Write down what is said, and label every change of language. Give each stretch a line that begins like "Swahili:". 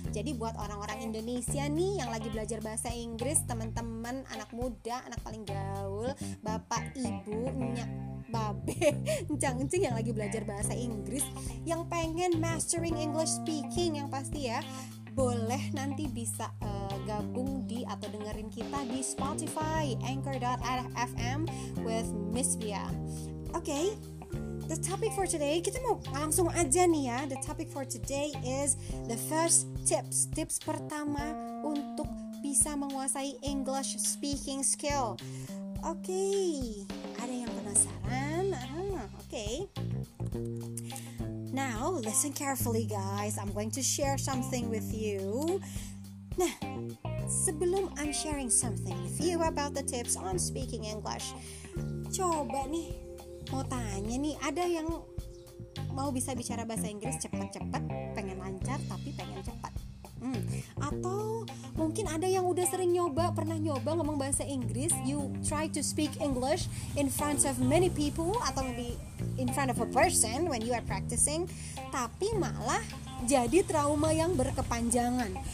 Indonesian: Jadi buat orang-orang Indonesia nih yang lagi belajar bahasa Inggris, teman-teman, anak muda, anak paling gaul, bapak, ibu, nyak, babe, cang-cing yang lagi belajar bahasa Inggris, yang pengen
English: mastering English speaking,
Indonesian: yang pasti ya, boleh nanti bisa gabung di atau dengerin kita di Spotify, anchor.fm with Miss Via. Okay.
English: The topic for today,
Indonesian: kita mau langsung aja nih ya.
English: The topic for today is the first tips.
Indonesian: Tips pertama untuk bisa menguasai English speaking skill. Okay, ada yang penasaran?
English: Okay. Now, listen carefully guys. I'm going to share something with you.
Indonesian: Nah, sebelum
English: I'm sharing something with you about the tips on speaking English,
Indonesian: coba nih. Mau tanya nih, ada yang mau bisa bicara bahasa Inggris cepat-cepat, pengen lancar tapi pengen cepat. Atau mungkin ada yang udah sering nyoba, pernah nyoba ngomong bahasa Inggris,
English: you try to speak English in front of many people
Indonesian: atau
English: maybe in front of a person when you are practicing,
Indonesian: tapi malah jadi trauma yang berkepanjangan.